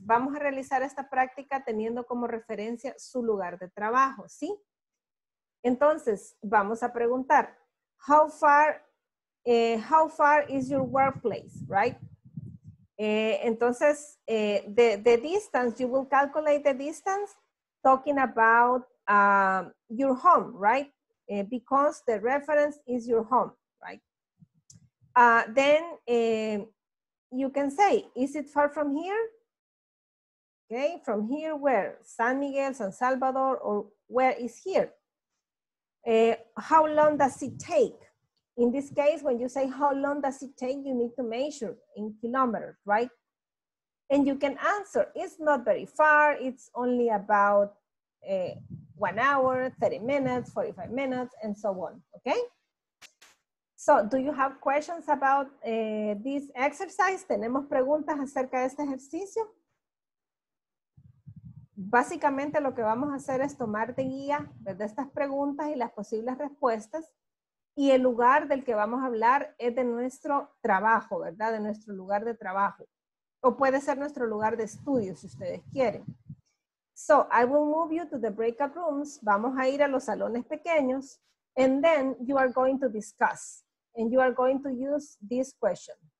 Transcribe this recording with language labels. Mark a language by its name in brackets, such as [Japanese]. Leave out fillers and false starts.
[Spanish] Vamos a realizar esta práctica teniendo como referencia su lugar de trabajo, ¿sí? Entonces, vamos a preguntar, [English] how far is your workplace, right? The distance, you will calculate the distance talking about your home, right? Because the reference is your home, right? You can say, is it far from here? Okay, from here where? San Miguel, San Salvador, or where is here? How long does it take? In this case, when you say how long does it take, you need to measure in kilometers, right? And you can answer, it's not very far, it's only about 1 hour, 30 minutes, 45 minutes, and so on, okay? So, do you have questions about this exercise? [Spanish] ¿Tenemos preguntas acerca de este ejercicio? Básicamente lo que vamos a hacer es tomar de guía de estas preguntas y las posibles respuestas. Y el lugar del que vamos a hablar es de nuestro trabajo, ¿verdad? De nuestro lugar de trabajo. O puede ser nuestro lugar de estudio, si ustedes quieren. [English] So, I will move you to the breakout rooms. [Spanish] Vamos a ir a los salones pequeños. [English] And then you are going to discuss. And you are going to use this question.